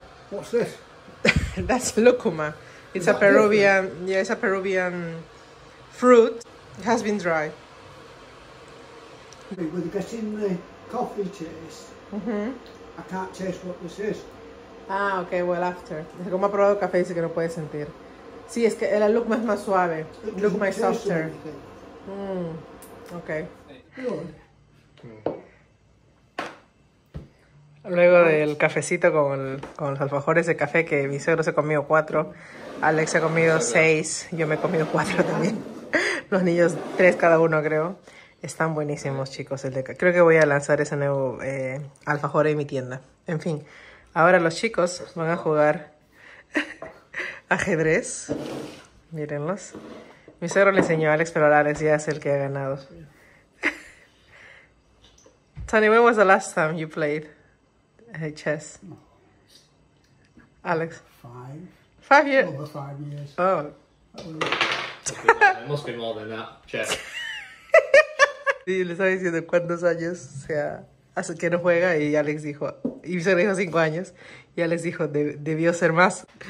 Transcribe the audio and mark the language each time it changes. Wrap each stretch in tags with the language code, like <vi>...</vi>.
<en>What's this? That's lúcuma. It's a Peruvian. Lúcuma? Yeah, it's a Peruvian fruit. It has been dried. With getting the coffee taste, I can't taste what this is. Ah, ok, well, after.</en> <es>Dice, como ha probado café, dice que no puede sentir. Sí, es que el lúcuma es más suave. Lúcuma es</es> <en>softer.</en> <es>Ok. Luego del cafecito con los alfajores de café, que mi suegro se ha comido 4, Alex se ha comido 6, yo me he comido 4 también. Los niños, 3 cada uno, creo. Están buenísimos, chicos. Creo que voy a lanzar ese nuevo alfajor en mi tienda. En fin. Ahora los chicos van a jugar ajedrez. Mírenlos. Mi suegro le enseñó a Alex, pero ahora Alex ya es el que ha ganado.</es> <en>Tony, when was the last time you played chess? Alex. Five years. Oh. It must be more than that, chess.</en> <es>Sí, le estaba diciendo cuántos años sea. Hace que no juega y Alex dijo, y se le dijo 5 años, y Alex dijo, debió ser más.</es>